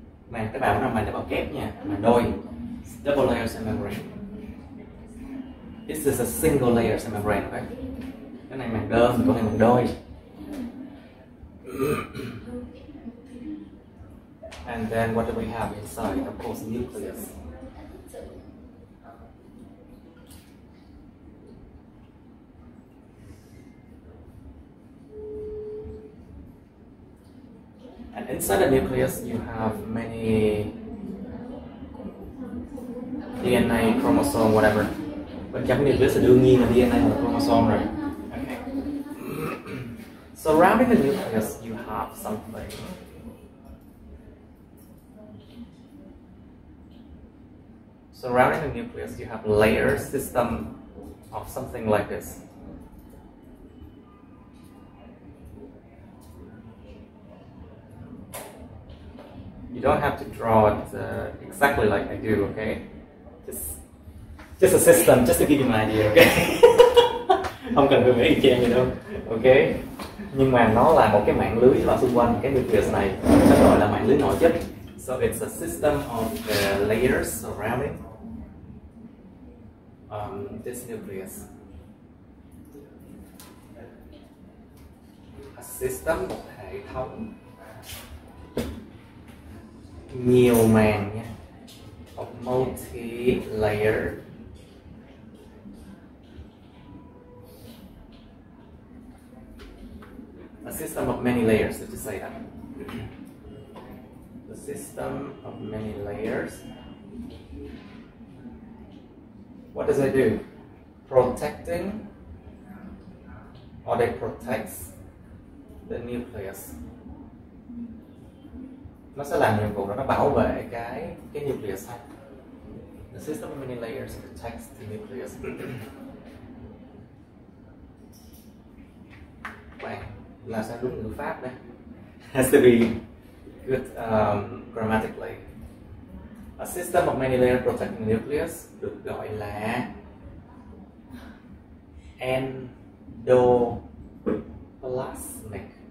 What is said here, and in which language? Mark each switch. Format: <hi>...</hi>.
<vi>Màng tế bào nó màng tế bào kép nha, màng đôi.</vi> <en>Double layer cell membrane. This is a single layer cell membrane, okay?</en> <vi>Cái này màng đơn, con này màng đôi.</vi> <en>And then what do we have inside? Of course, nucleus. And inside the nucleus, you have many DNA, chromosome, whatever.</en> <vi>Bên trong nucleus là đương nhiên là DNA và chromosome rồi.</vi> <en>Okay. Surrounding the nucleus, you have something. Surrounding the nucleus, you have layer system of something like this. You don't have to draw it exactly like I do, okay? Just a system, just to give you an idea, okay?</en> <vi>Không cần phải vẽ y chang gì đâu, okay? Nhưng mà nó là một cái mạng lưới và xung quanh cái nucleus này, nó gọi là mạng lưới nội chất.</vi> <en>So it's a system of the layers surrounding this nucleus. A system,</en> <vi>một hệ thống. nhiều màng nha,</vi> <en>multi layer. A system of many layers, did you say that? The system of many layers. What does it do? Protecting, or it protects the nucleus.</en> <vi>Nó sẽ làm nhiệm vụ là nó bảo vệ cái nucleus hay.</vi> <en>The system of many layers protects the nucleus.</en> <vi>Vậy là sao đúng ngữ pháp đây?</vi> <en>Has to be good grammatically. A system of many layers protecting the nucleus</en> <vi>được gọi là</vi> <en>endoplasmic.</en>